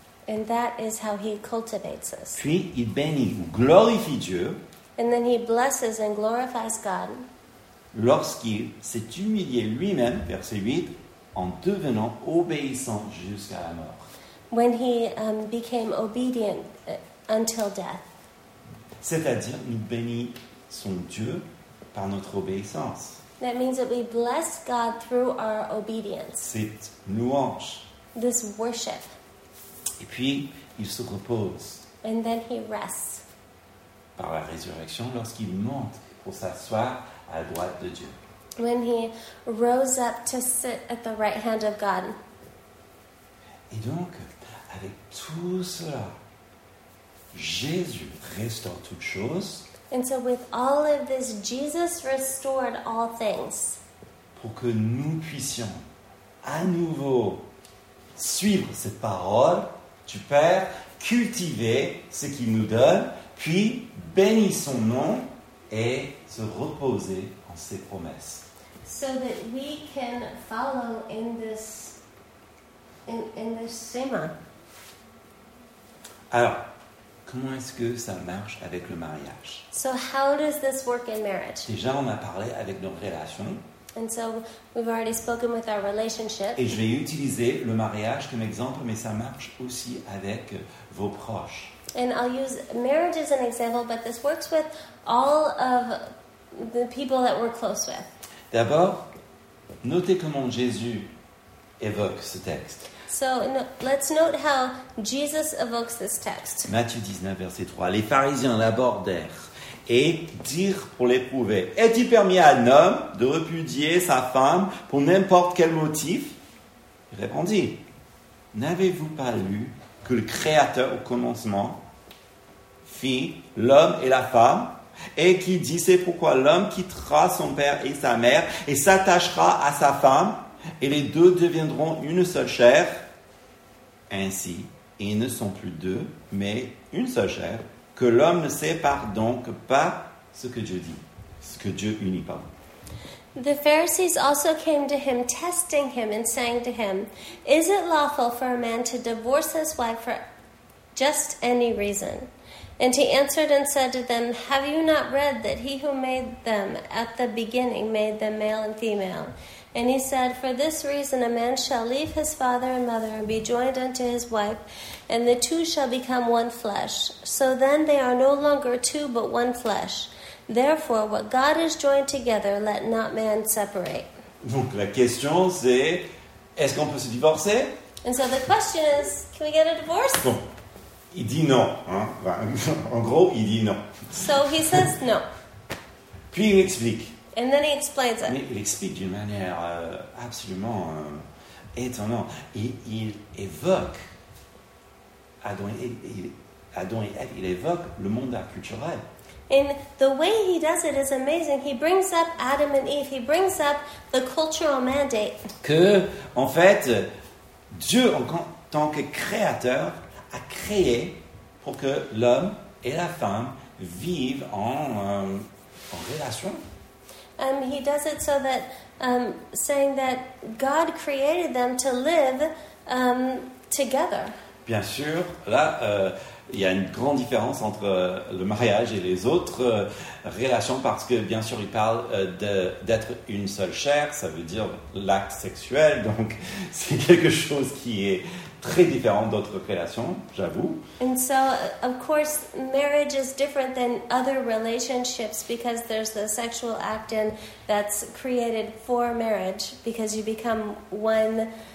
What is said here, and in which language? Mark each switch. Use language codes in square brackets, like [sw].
[en] And that is how he cultivates us. [fr] Puis il bénit ou glorifie Dieu. [en] And then he blesses and glorifies God. [fr] Lorsqu'il s'est humilié lui-même, verset 8, en devenant obéissant jusqu'à la mort. [en] When he became obedient until death. [fr] C'est-à-dire nous bénit son Dieu par notre obéissance. [en] That means that we bless God through our obedience. [fr] Cette louange. [en] This worship. [fr] Et puis, il se repose. [en] And then he rests. [fr] Par la résurrection, lorsqu'il monte pour s'asseoir à la droite de Dieu. [en] When he rose up to sit at the right hand of God. [fr] Et donc, avec tout cela, Jésus restaure toutes choses. [en] And so with all of this, Jesus restored all things. [fr] Pour que nous puissions à nouveau suivre cette parole du Père, cultiver ce qu'il nous donne, puis bénir son nom et se reposer en ses promesses. [en] So that we can follow in this, in this sema. [fr] Alors, comment est-ce que ça marche avec le mariage? [en] So how does this work in marriage? [fr] Déjà, on a parlé avec nos relations. [en] And so we've already spoken with our relationship. [fr] Et je vais utiliser le mariage comme exemple, mais ça marche aussi avec vos proches. [en] And I'll use marriage as an example, but this works with all of the people that we're close with. [fr] D'abord, notez comment Jésus évoque ce texte. [en] So no, let's note how Jesus evokes this text. [fr] Matthieu 19, verset 3. Les pharisiens l'abordèrent et dirent pour l'éprouver. Est-il permis à un homme de répudier sa femme pour n'importe quel motif? Il répondit, n'avez-vous pas lu que le Créateur au commencement fit l'homme et la femme et qu'il dit c'est pourquoi l'homme quittera son père et sa mère et s'attachera à sa femme et les deux deviendront une seule chair. Ainsi, et ils ne sont plus deux, mais une seule chair, que l'homme ne sépare donc pas ce que Dieu dit, ce que Dieu unit, pardon. [en] The Pharisees also came to him, testing him and saying to him, is it lawful for a man to divorce his wife for just any reason? And he answered and said to them, have you not read that he who made them at the beginning made them male and female? And he said, for this reason a man shall leave his father and mother and be joined unto his wife, and the two shall become one flesh. So then they are no longer two, but one flesh. Therefore, what God has joined together, let not man separate. [fr] Donc la question c'est, est-ce qu'on peut se divorcer? [en] And so the question is, can we get a divorce? [fr] Bon, il dit non. Hein? En gros, il dit non. [en] So he says no. [fr] Puis il explique. [en] And then he explains it. [fr] Mais il explique d'une manière absolument étonnante. Il évoque Adam et Ève, il évoque le monde culturel. [en] And the way he does it is amazing. He brings up Adam and Eve. He brings up the cultural mandate. [fr] Que, en fait, Dieu, en tant que créateur, a créé pour que l'homme et la femme vivent en relation. [en] He does it so that, saying that God created them to live together. [fr] Bien sûr, là... il y a une grande différence entre le mariage et les autres relations parce que, bien sûr, il parle d'être une seule chair, ça veut dire l'acte sexuel, donc c'est quelque chose qui est très différent d'autres relations, j'avoue. [en] And so, of course, marriage is different than other relationships because there's the sexual act in that's created for marriage because you become one.